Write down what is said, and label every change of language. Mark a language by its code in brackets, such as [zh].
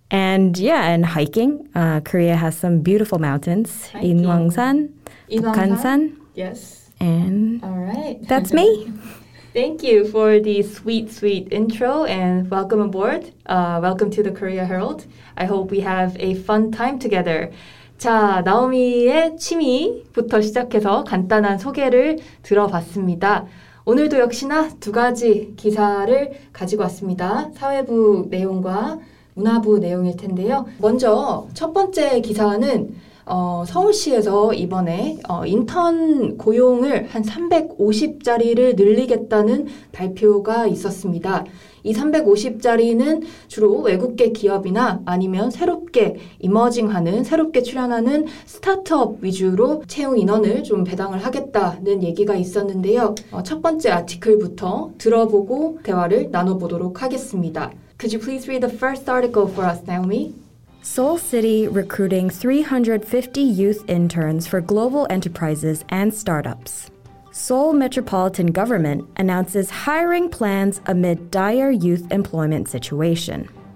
[en] and hiking. Korea has some beautiful mountains. Inwangsan, Bukhansan. Yes. And all right. That's me. Thank you for the sweet, sweet intro and welcome aboard. Welcome to the Korea Herald. I hope we have a fun time together. [ko] 자, 나오미의 취미부터 시작해서 간단한 소개를 들어봤습니다. 오늘도 역시나 두 가지 기사를 가지고 왔습니다. 사회부 내용과 문화부 내용일 텐데요. 먼저 첫 번째 기사는 서울시에서 이번에 인턴 고용을 한 350자리를 늘리겠다는 발표가 있었습니다. 이 350자리는 주로 외국계 기업이나 아니면 새롭게 이머징하는, 새롭게 출연하는 스타트업 위주로 채용 인원을 좀 배당을 하겠다는 얘기가 있었는데요. 첫 번째 아티클부터 들어보고 대화를 나눠보도록 하겠습니다. [en] Could you please read the first article for us, Naomi? Seoul City recruiting 350 youth interns for global enterprises and startups. Seoul Metropolitan Government announces hiring plans amid dire youth employment situation.